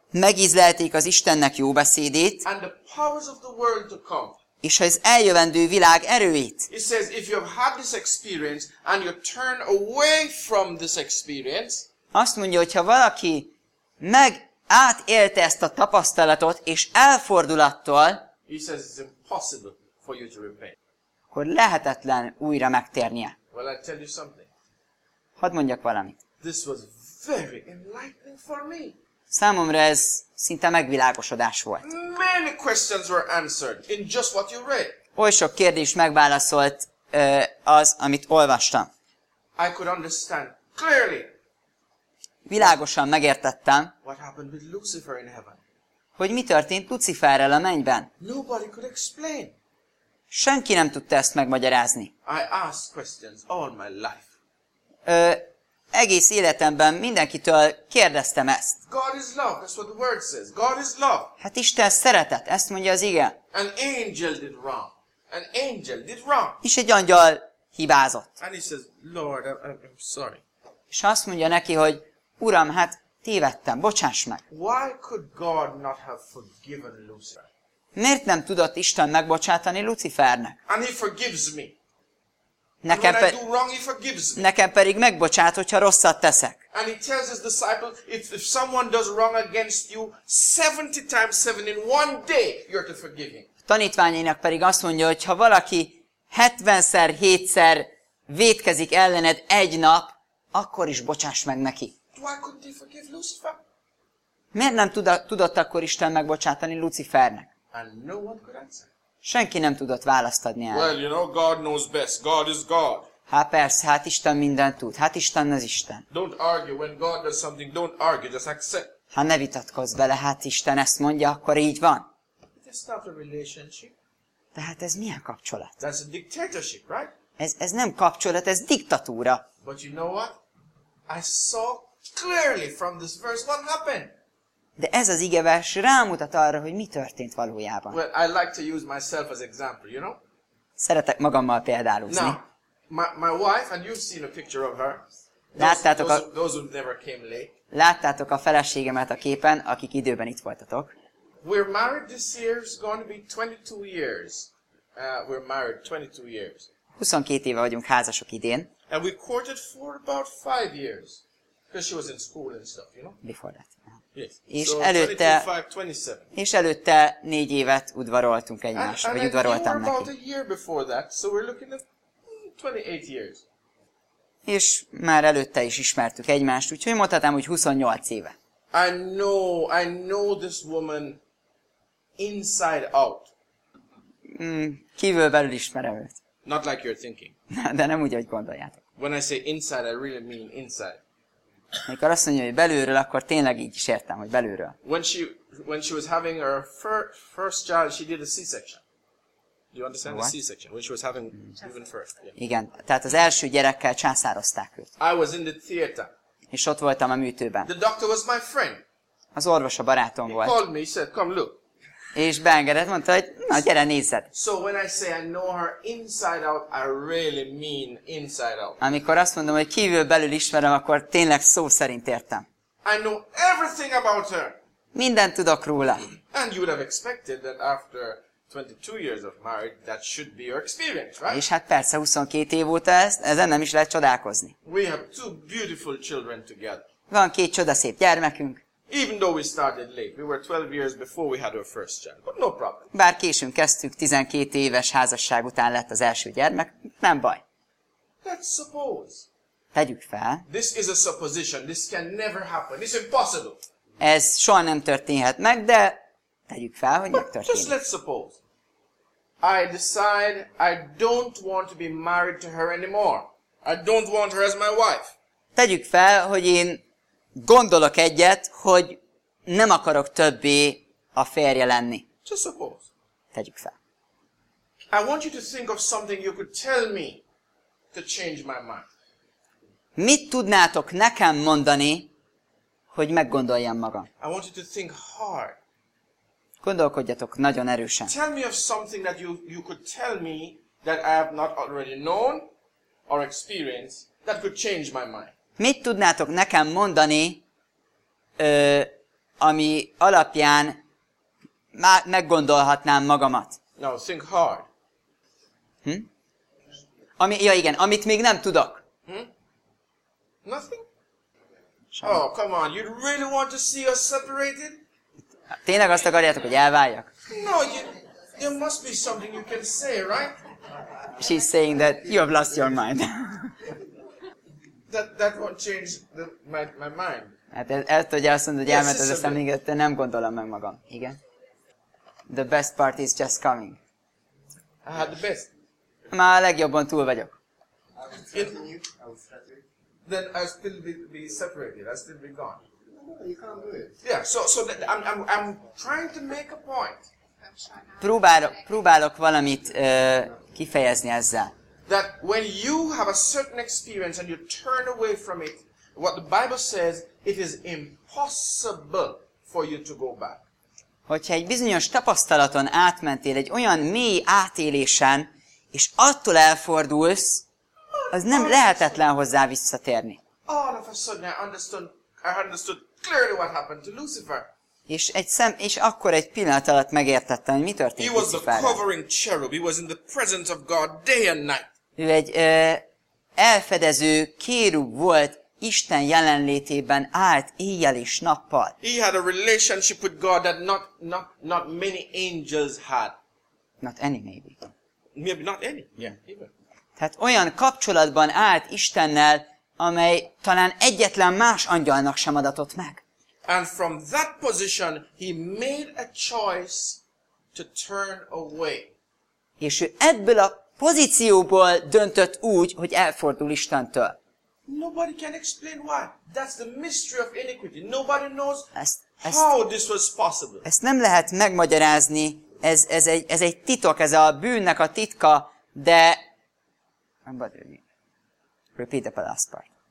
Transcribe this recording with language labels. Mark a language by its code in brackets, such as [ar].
[hu] Megízlelték az Istennek jó beszédét. [en] And the powers of the world to come. [hu] És az eljövendő világ erőit. [en] He says if you have had this experience and you turn away from this experience. [hu] Azt mondja, hogyha valaki meg átélte ezt a tapasztalatot és elfordulattól, [en] he says it's impossible for you to repent. [hu] Akkor lehetetlen újra megtérnie. [en] Well, I tell you something. [hu] Hadd mondjak valamit. [en] This was very enlightening for me. [hu] Számomra ez szinte megvilágosodás volt. [en] Many questions were answered in just what you read. [hu] Oly sok kérdés megválaszolt az, amit olvastam. [en] I could understand clearly. [hu] Világosan megértettem, [en] what happened with Lucifer in heaven? [hu] Hogy mi történt Luciferrel a mennyben. [en] Nobody could explain. [hu] Senki nem tudta ezt megmagyarázni. [en] I asked questions all my life. [hu] Egész életemben mindenkitől kérdeztem ezt. [en] God is love, that's what the word says. God is love. [hu] Hát Isten szeretet, ezt mondja az ige. [en] An angel did wrong. An angel did wrong. [hu] És egy angyal hibázott. [en] And he says, Lord, I'm sorry. [hu] És azt mondja neki, hogy Uram, hát tévedtem, bocsáss meg. [en] Why could God not have forgiven Lucifer? [hu] Miért nem tudott Isten megbocsátani Lucifernek? [en] And he forgives me. [hu] Nekem, nekem pedig megbocsát, hogyha rosszat teszek. [en] And he tells his disciples, if someone does wrong against you 70 times 7 in one day, you're to forgive him. [hu] Tanítványainak pedig azt mondja, hogy ha valaki 70-szer 7-szer vétkezik ellened egy nap, akkor is bocsáss meg neki. [en] Why couldn't he forgive Lucifer? [hu] Miért nem tudott akkor Isten megbocsátani Lucifernek? [en] And no one could answer. [hu] Senki nem tudott választ adni el. [en] Well, you know, God knows best. God is God. [hu] Hát persze, hát Isten mindent tud. Hát Isten az Isten. [en] Don't argue when God does something. Don't argue, just accept. [hu] Hát ne vitatkozz vele, hát Isten ezt mondja, akkor így van. [en] That's not a relationship. [hu] De hát ez milyen kapcsolat? [en] That's a dictatorship, right? [hu] Ez nem kapcsolat, ez diktatúra. [en] But you know what? I saw clearly from this verse what happened. [hu] De ez az igevers rámutat arra, hogy mi történt valójában. [en] Well, I like to use myself as example, you know? [hu] Szeretek magammal példálózni. [en] Now, my wife, and you've seen a picture of her. Those who never came late. [hu] Láttátok a feleségemet a képen, akik időben itt voltatok. [en] We're married this year, it's going to be 22 years. We're married 22 years. [hu] 22 éve vagyunk házasok idén. [en] And we courted for about 5 years. Because she was in school and stuff, you know? Before that. Yes. [hu] És előtte 4 évet udvaroltunk egymást, vagy udvaroltam neki. [en] About a year before that, so we're looking at 28 years. [hu] És már előtte is ismertük egymást, úgyhogy mondhatnám, hogy 28 éve. [en] I know this woman inside out. [hu] Kívül belül ismerem őt. [en] Not like you're thinking. [hu] De nem úgy, ahogy gondoljátok. [en] When I say inside, I really mean inside. [hu] Mikor azt mondja, hogy belülről, akkor tényleg így is értem, hogy belülről. [en] When she was having her first child, she did a C-section. Do you understand what? The C-section? When she was having even first. Yeah. [hu] Igen, tehát az első gyerekkel császározták őt. [en] I was in the theater. [hu] És ott voltam a műtőben. [en] The doctor was my friend. [hu] Az orvos a barátom [en] he [hu] volt. [en] He called me, he said, come look. [hu] És beengedett, mondta, hogy na, gyere, nézzed. [en] So when I say I know her inside out, I really mean inside out. [hu] Amikor azt mondom, hogy kívül belül ismerem, akkor tényleg szó szerint értem. [en] I know everything about her. [hu] Mindent tudok róla. [en] And you would have expected that after 22 years of marriage, that should be your experience, right? [hu] És hát persze, 22 év óta ezen nem is lehet csodálkozni. [en] We have two beautiful children together. [hu] Van két csodaszép gyermekünk. [en] Even though we started late, we were 12 years before we had our first child, but no problem. [hu] Bár későn kezdtük, 12 éves házasság után lett az első gyermek, nem baj. [en] Let's suppose. [hu] Tegyük fel. [en] This is a supposition, this can never happen, it's impossible. [hu] Ez soha nem történhet meg, de tegyük fel, hogy megtörténik. [en] Just let's suppose I decide I don't want to be married to her anymore. I don't want her as my wife. [hu] Tegyük fel, hogy én gondolok egyet, hogy nem akarok többé a férje lenni. [en] Just suppose. [hu] Tegyük fel. [en] I want you to think of something you could tell me to change my mind. [hu] Mit tudnátok nekem mondani, hogy meggondoljam magam? [en] I want you to think hard. [hu] Gondolkodjatok nagyon erősen. [en] Tell me of something that you could tell me that I have not already known or experienced that could change my mind. [hu] Mit tudnátok nekem mondani, ami alapján meggondolhatnám magamat? [en] No, think hard. [hu] Amit még nem tudok. [en] Nothing? Sajnán. Oh, come on, you really want to see us separated? [hu] Tényleg azt akarjátok, hogy elváljak? [en] No, there must be something you can say, right? She's saying that you have lost your mind. That won't change my mind. [hu] Hát ezt, hogy azt mondod, hogy elmented a szemléket, de nem gondolom meg magam. [en] Igen. The best part is just coming. Hát the best. [hu] Már a legjobban túl vagyok. [en] Then I'll still be separated. I'll still be gone. No, you can't do it. Yeah, so I'm trying to make a point. [hu] Próbálok valamit kifejezni ezzel. [en] That when you have a certain experience and you turn away from it, what the Bible says, it is impossible for you to go back. [hu] Hogyha egy bizonyos tapasztalaton átmentél, egy olyan mély átélésen, és attól elfordulsz, az nem lehetetlen hozzá visszatérni. [en] All of a sudden I understood clearly what happened to Lucifer. [hu] És akkor egy pillanat alatt megértettem, hogy mi történt [en] Lucifer. He was the covering cherub. He was in the presence of God day and night. [hu] Ő egy elfedező kérub volt Isten jelenlétében állt éjjel és nappal. [en] He had a relationship with God that not many angels had. Not any maybe. Maybe not any. Yeah, even. [hu] Tehát olyan kapcsolatban állt Istennel, amely talán egyetlen más angyalnak sem adatott meg. [en] And from that position he made a choice to turn away. [hu] És ő ebből a pozícióból döntött úgy, hogy elfordul Istentől. [en] Nobody can explain why. That's the mystery of iniquity. Nobody knows how this was possible. [hu] Ezt nem lehet megmagyarázni. Ez egy titok, ez a bűnnek a titka, de [en] repeat the last part.